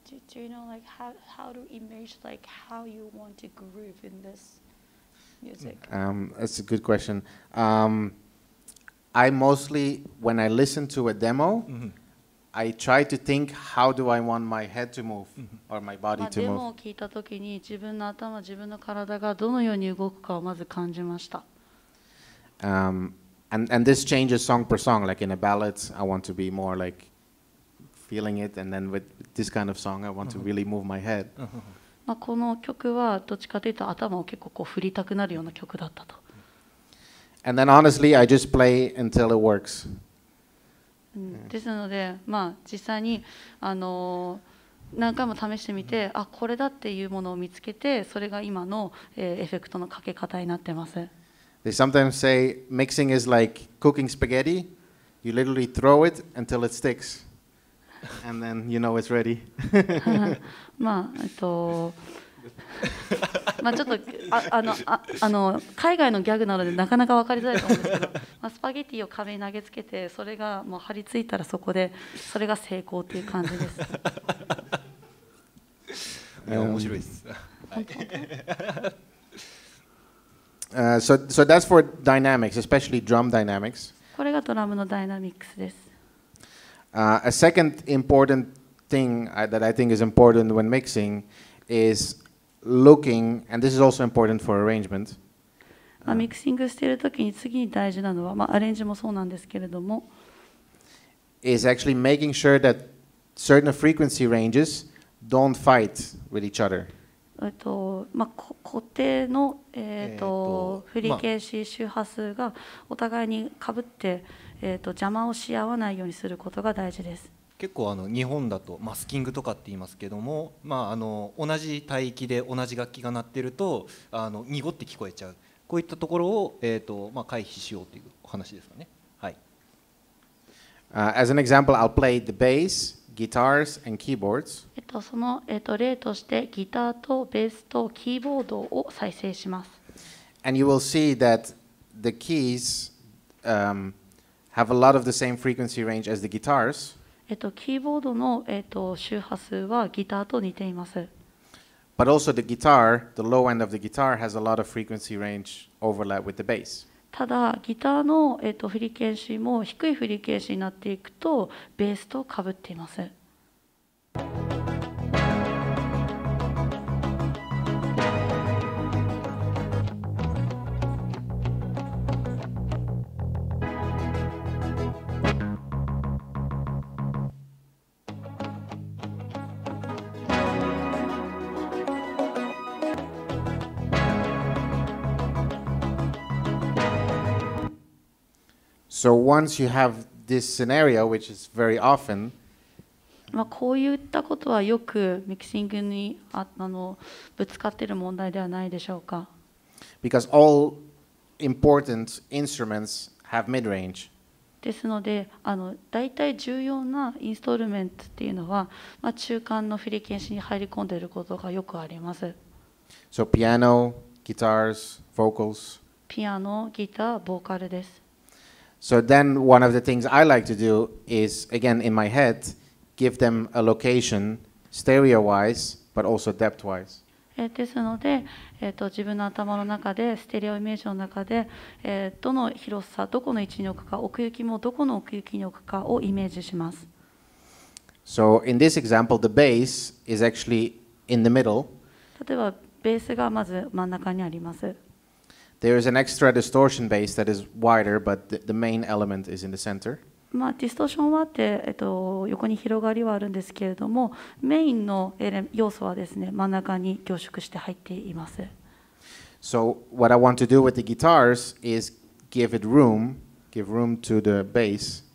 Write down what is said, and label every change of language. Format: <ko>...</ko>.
<en>Do you know like how to image like how you want to groove in this music? That's a good question. I mostly when I listen to a demo, I try to think how do I want my head to move or my body to move.</en> <ja>デモを聞いた時に自分の頭、自分の体がどのように動くかをまず感じました。</ja> <en>And this changes song per song. Like in a ballad, I want to be more like. Feeling it, and then with this kind of song, I want to really move my head.</en> <ja>まあこの曲はどっちかというと頭を結構こう振りたくなるような曲だったと。</ja> <en>And then honestly, I just play until it works.</en> <ja>ですので、まあ実際に何回も試してみて、あこれだっていうものを見つけて、それが今のエフェクトのかけ方になってます。</ja> <en>They sometimes say mixing is like cooking spaghetti. You literally throw it until it sticks. And then you know it's ready.</en> <ja>まあまあちょっとあの海外のギャグなのでなかなか分かりづらいと思うんですけど、まあ、スパゲティを壁に投げつけてそれがもう張り付いたらそこでそれが成功という感じです。面白いです。本当。</ja> <en>So that's for dynamics, especially drum dynamics.</en> <ja>これがドラムのダイナミックスです。</ja> <en>A second important thing that I think is important when mixing is looking, and this is also important for arrangement.</en> <ja>ミキシングしているときに次に大事なのは、まあ、アレンジもそうなんですけれども、</ja> <en>is actually making sure that certain frequency ranges don't fight with each other.</en> <ja>まあ、固定の、フリケーシー周波数がお互いにかぶって、邪魔をし合わないようにすることが大事です。結構日本だとマスキングとかって言いますけども、まあ、同じ帯域で同じ楽器が鳴ってると濁って聞こえちゃう、こういったところを、まあ、回避しようというお話ですかね。はい。</ja> <en>As an example, I'll play the bass, guitars, and keyboards.</en> <ja>その、例としてギターとベースとキーボードを再生します。</ja> <en>And you will see that the keys、have a lot of the same frequency range as the guitars.</en> <ja>キーボードの、周波数はギターと似ています。</ja> <en>But also the guitar, the low end of the guitar has a lot of frequency range overlap with the bass.</en> <ja>ただギターの、フリケンシーも低いフリケンシーになっていくとベースと被っています。</ja> <en>So once you have this scenario, which is very often,</en> <ja>まあこういったことはよくミキシングにぶつかっている問題ではないでしょうか。</ja> <en>Because all important instruments have mid-range. D</en> <ja>ですので、大体重要なインストールメントっていうのは、まあ、中間のフィリケンシに入り込んでいることがよくあります。</ja> <en>So piano, guitars, vocals.</en> <ja>ピアノ、ギター、ボーカルです。</ja> <en>So then one of the things I like to do is, again, in my head, give them a location, stereo-wise, but also depth-wise.</en> <ja>ですので、自分の頭の中でステレオイメージの中で、どの広さどこの位置に置くか奥行きもどこの奥行きに置くかをイメージします。</ja> <en>So in this example the bass is actually in the middle.</en> <ja>例えばベースがまず真ん中にあります。</ja> <en>There is an extra distortion bass that is wider but the main element is in the center.</en> <ja>まあ、ディストーションはあって、横に広がりはあるんですけれども、メインの要素はですね、真ん中に凝縮して入っています。</ja> <en>So what I want to do with the guitars is give it room, give room to the bass.</en>